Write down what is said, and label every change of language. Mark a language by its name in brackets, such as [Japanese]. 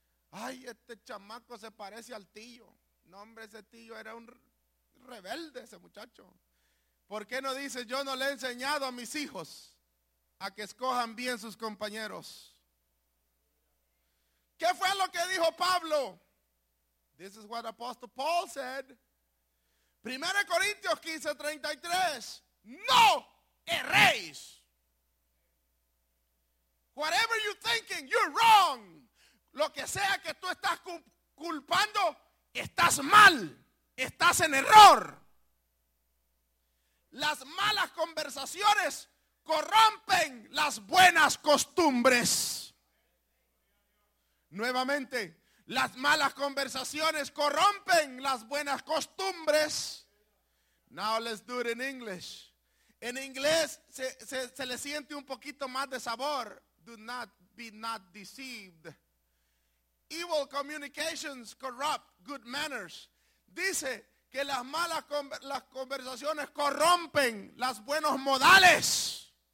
[Spanish] Ay, este chamaco se parece al tío. No, hombre, ese tío era un rebelde, ese muchacho. ¿Por qué no dice: yo no le he enseñado a mis hijos a que escojan bien sus compañeros? ¿Qué fue lo que dijo Pablo? [English] This is what Apostle Paul said. 1 Corintios 15:33. [Spanish] No erréis. [English] Whatever you're thinking, you're wrong. [Spanish] Lo que sea que tú estás culpando, estás mal. Estás en error. Las malas conversaciones corrompen las buenas costumbres. Nuevamente, las malas conversaciones corrompen las buenas costumbres. [English] Now let's do it in English. [Spanish] En inglés se le siente un poquito más de sabor. [English] Do not be not deceived. Evil communications corrupt good manners. [Spanish] Dice que las conversaciones corrompen los buenos modales.